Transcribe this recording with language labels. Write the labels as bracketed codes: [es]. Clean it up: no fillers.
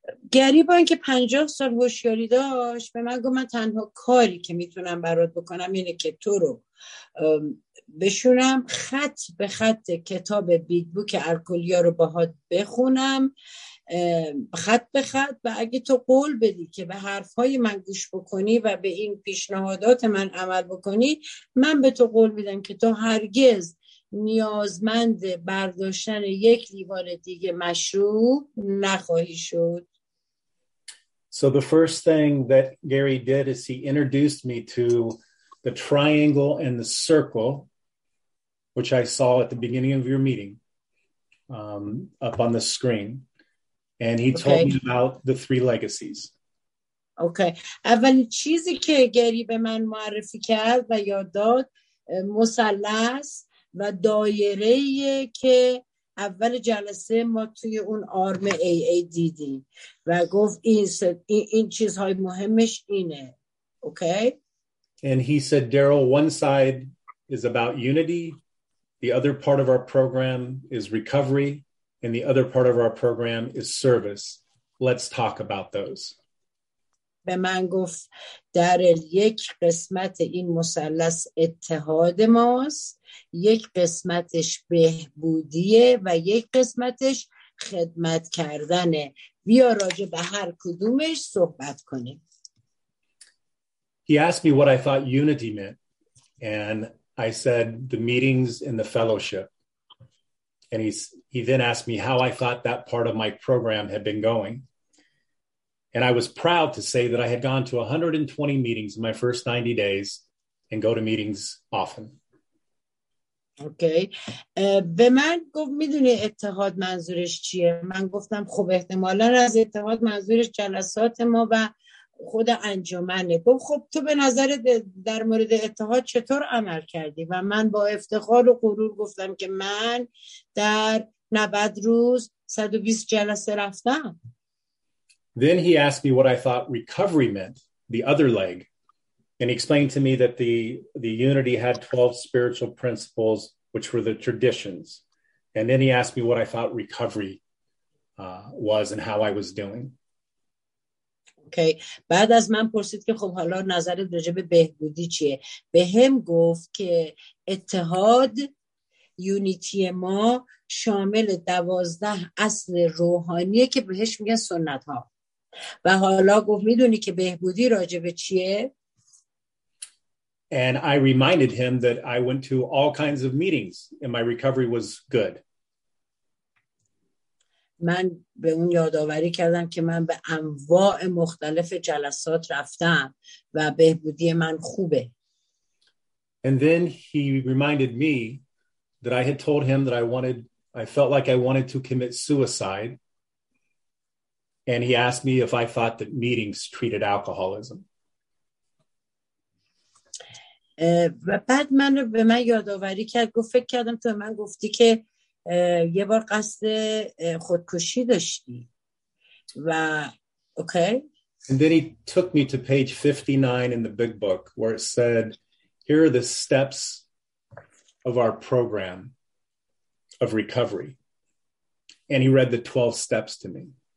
[fa] گری با اینکه 50 سال هوشیاری داشت به من گفت من تنها کاری که میتونم برات بکنم اینه که تو رو بشونم خط به خط کتاب بیگ بوک الکلیا رو باهات بخونم خط به خط و اگه تو قول بدی که به حرفهای من گوش بکنی و به این پیشنهادات من عمل بکنی من به تو قول میدم که تو هرگز نیازمند برداشتن یک لیوان دیگه مشروب نخواهی شد. [en] So the first thing that Gary did is he introduced me to the triangle and the circle which I saw at the beginning of your meeting up on the screen. And he told me about the three legacies. Okay. [fa] اولین چیزی که گری به من معرفی کرد و یاد داد مثلث و دایره‌ایه که اول جلسه ما توی اون آرم ای ای دیدیم و گفت این چیزهای مهمش اینه. [en] Okay. And he said, Daryl, one side is about unity. The other part of our program is recovery. And the other part of our program is service. Let's talk about those. [fa] به من گفت دارل یک قسمت این مثلث اتحاد ماست، یک قسمتش بهبودیه و یک قسمتش خدمت کردنه. بیا راجع به هر کدومش صحبت کنیم. [en] He asked me what I thought unity meant, and I said the meetings and the fellowship. And he then asked me how I thought that part of my program had been going. And I was proud to say that I had gone to 120 meetings in my first 90 days and go to meetings often. Okay. [fa] به من گفت میدونی اتحاد منظورش چیه؟ من گفتم خب احتمالاً از اتحاد منظورش جلسات ما و خود انجمنه. گفت خب تو به نظرت در مورد اتحاد چطور عمل کردی؟ و من با افتخار و غرور گفتم که من در 90 روز 120 جلسه رفتم. [en] Then he asked me what I thought recovery meant, the other leg, and he explained to me that the unity had 12 spiritual principles, which were the traditions. And then he asked me what I thought recovery was and how I was doing. Okay. [fa] بعد از من پرسید که خب حالا نظرت راجع به بهبودی چیه؟ به هم گفت که اتحاد یونیتی ما شامل 12 اصل روحانیه که بهش میگن سنت ها. و حالا گفت میدونی که بهبودی راجبه چیه؟ [en] And I reminded him that I went to all kinds of meetings and my recovery was good. [fa] من به اون یادآوری کردم که من به انواع مختلف جلسات رفتم و بهبودی من خوبه. [en] And then he reminded me that I had told him that I felt like I wanted to commit suicide. And he asked me if I thought that meetings treated alcoholism. [fa] و بعد من به من یادآوری کرد گفت فکر کردم تو من گفتی که یه بار قصد خودکشی داشتی. و اوکی. [en] And then he took me to page 59 in the big book where it said, here are the steps of our program of recovery. And he read the 12 steps to me.